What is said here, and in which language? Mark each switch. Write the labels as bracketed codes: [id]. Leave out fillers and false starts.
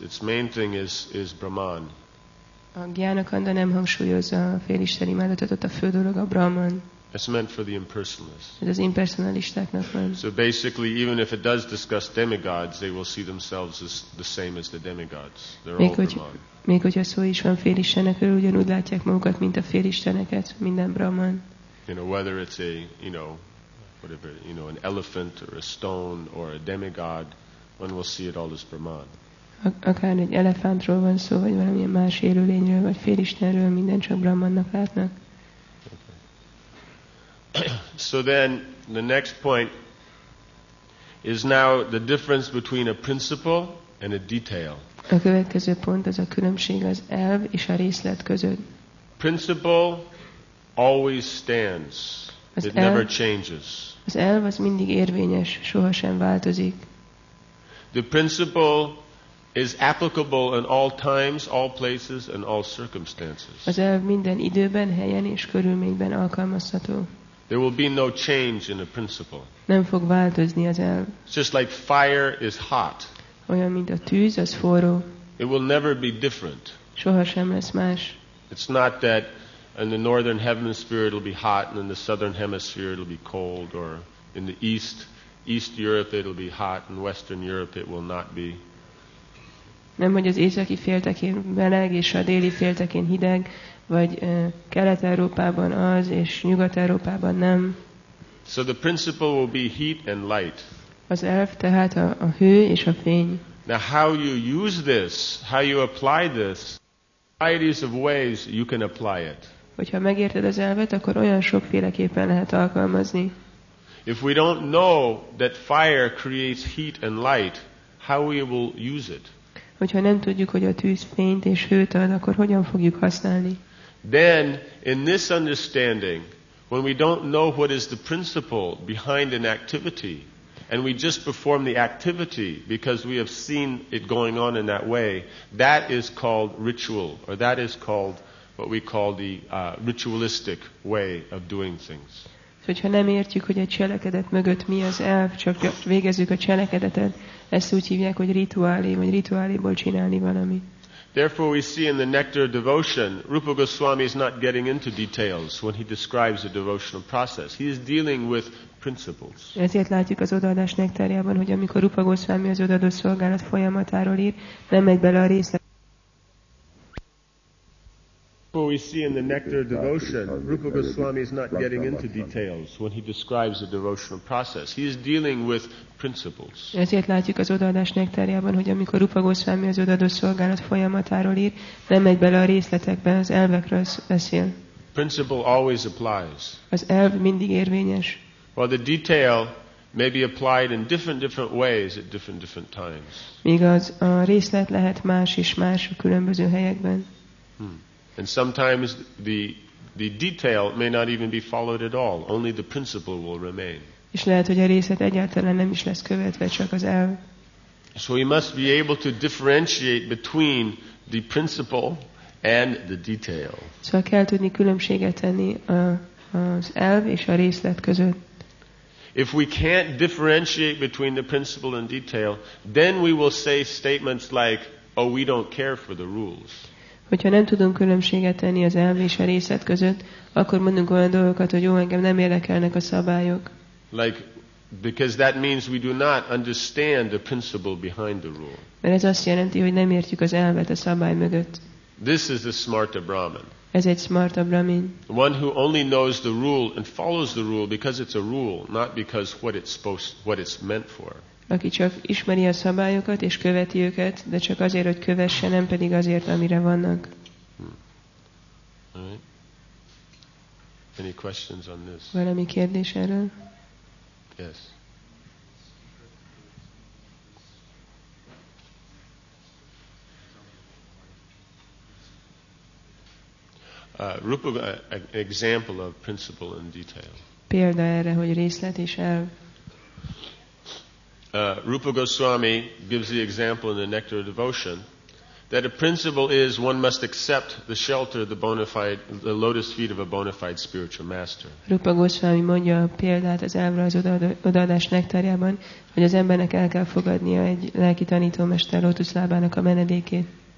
[en] Its main thing is Brahman. [hu] A gyanakanda nem hangsúlyozza a félisten imádatot, ott a fő dolog a Brahman. [en] It's meant for the impersonalists. [hu] Ez az impersonalistáknak van. [en] So basically, even if it does discuss demigods, they will see themselves as the same as the demigods. They're [hu] még [en] all Brahman. [hu] Még hogyha szó is van félistenekről, ugyanúgy látják magukat, mint a félisteneket, minden Brahman. [en] You know, whether it's a, you know, whatever, you know, an elephant or a stone or a demigod, one will see it all as Brahman. [hu] Akár egy elefántról van szó, vagy valamilyen más élőlényről, vagy félistenről, minden csak Brahmannak látnak. [en] So then the next point is now the difference between a principle and a detail. [hu] A következő pont az a különbség az elv és a részlet között. [en] Principle always stands. It never changes. [hu] Az elv az mindig érvényes, sohasem változik. [en] The principle is applicable in all times, all places and all circumstances. [hu] Az elv minden időben, helyen és körülményben alkalmazható. [en] There will be no change in the principle. [hu] Nem fog változni az elv. [en] It's just like fire is hot. [hu] Olyan, mint a tűz, az forró. [en] It will never be different. [hu] Sohasem lesz más. [en] It's not that in the northern hemisphere it'll be hot and in the southern hemisphere it'll be cold, or in the east Europe it'll be hot and western Europe it will not be. [hu] Nem, hogy az északi féltekén meleg és a déli féltekén hideg, vagy Kelet-Európában az és Nyugat-Európában nem. [en] So the principle will be heat and light. [hu] Az elv tehát a hő és a fény. [en] Now how you use this, how you apply this, varieties of ways you can apply it. [hu] Hogyha megérted az elvet, akkor olyan sokféleképpen lehet alkalmazni. [en] If we don't know that fire creates heat and light, how we will use it? [hu] Hogyha nem tudjuk, hogy a tűz fényt és hőt ad, akkor hogyan fogjuk használni? [en] Then, in this understanding, when we don't know what is the principle behind an activity, and we just perform the activity because we have seen it going on in that way, that is called ritual, or that is called what we call the ritualistic way of doing things. [hu] So, hogyha nem értjük, hogy a cselekedet mögött mi az elv, csak végezzük a cselekedetet, ezt úgy hívják, hogy rituálé, vagy rituáléból csinálni valami. [en] Therefore we see in the Nectar of Devotion, Rupa Goswami is not getting into details when he describes the devotional process. He is dealing with principles. [hu] Ezért látjuk az odaadás nektárjában, hogy amikor Rupa Goswami az odaadó szolgálat folyamatáról ír, nem megy bele a részlet. [en] Therefore we see in the Nectar of Devotion, Rupa Goswami is not getting into details when he describes the devotional process. He is dealing with principles. [hu] Ezért látjuk az odaadás nektárjában, hogy amikor Rupa Goswami az odaadó szolgálat folyamatáról ír, nem megy bele a részletekbe, az elvekről beszél. [en] Principle always applies. [hu] Az elv mindig érvényes. [en] While the detail may be applied in different ways at different times. [hu] Míg az a részlet lehet más és más a különböző helyekben. [en] And sometimes the detail may not even be followed at all, only the principle will remain. [hu] És lehet, hogy a részlet egyáltalán nem is lesz követve, csak az elv. [en] So we must be able to differentiate between the principle and the detail. [hu] Szóval kell tudni különbséget tenni az elv és a részlet között. [en] If we can't differentiate between the principle and detail, then we will say statements like, oh, we don't care for the rules. [hu] Hogyha nem tudunk különbséget tenni az elv és a részlet között, akkor mondunk olyan dolgokat, hogy jó, engem nem érdekelnek a szabályok. [en] Like Because that means we do not understand the principle behind the rule. [hu] Mert ez azt jelenti, hogy nem értjük az elvet a szabály mögött. [en] This is the smart Brahmin. [hu] Ez egy smart Brahmin. [en] One who only knows the rule and follows the rule because it's a rule, not because what it's meant for. [hu] Aki csak ismeri a szabályokat és követi őket, de csak azért, hogy kövesse, nem pedig azért, amire vannak. [en] Right. Any questions on this? [hu] Valami kérdés erről? [en] Yes. Rupa, an example of principle and detail. [hu] Példa erre, hogy részlet és elv. [en] Rupa Goswami gives the example in the Nectar of Devotion that a principle is one must accept the shelter of the lotus feet of a bona fide spiritual master. [hu] Rupa Goswami mondja a példát az elvről az odaadás nektárjában, hogy az embernek el kell fogadnia egy lelki tanítómester lótuszlábának a menedékét.